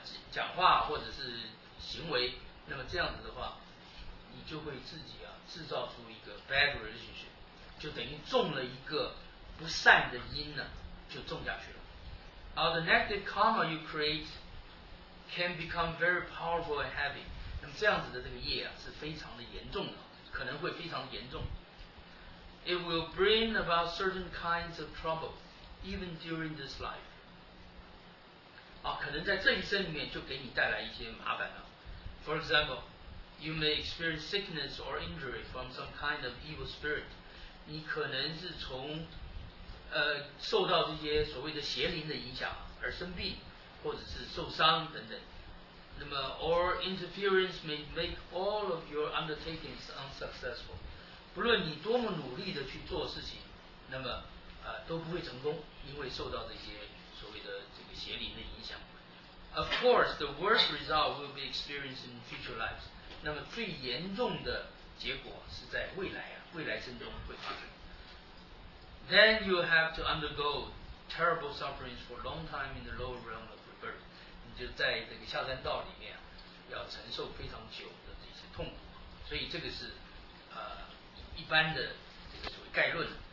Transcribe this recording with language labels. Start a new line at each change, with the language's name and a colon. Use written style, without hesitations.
Chinese: 讲话或者是行为，那么这样子的话，你就会自己啊制造出一个
English: bad relationship，
Chinese: 就等于种了一个不善的因呢，就种下去了。
English: The negative karma you create can become very powerful and heavy。
Chinese: 那么这样子的这个业啊是非常的严重的，可能会非常严重。
English: It will bring about certain kinds of trouble, even during this life.
Chinese: 可能在这一生里面就给你带来一些麻烦了。
English: For example, you may experience sickness or injury from some kind of evil spirit.
Chinese: 你可能是从受到这些所谓的邪灵的影响而生病，或者是受伤等等。
English: 那么 or interference may make all of your undertakings unsuccessful.
Chinese: 不论你多么努力的去做事情，那么都不会成功，因为受到这些所谓的这个邪灵的影响。
English: Of course, the worst result will be experienced in future lives.
Chinese: 那么最严重的结果是在未来啊，未来生中会发生。
English: Then you have to undergo terrible sufferings for a long time in the lower realm of rebirth.
Chinese: 就在这个下山道里面要承受非常久的这些痛苦，所以这个是一般的这个所谓概论。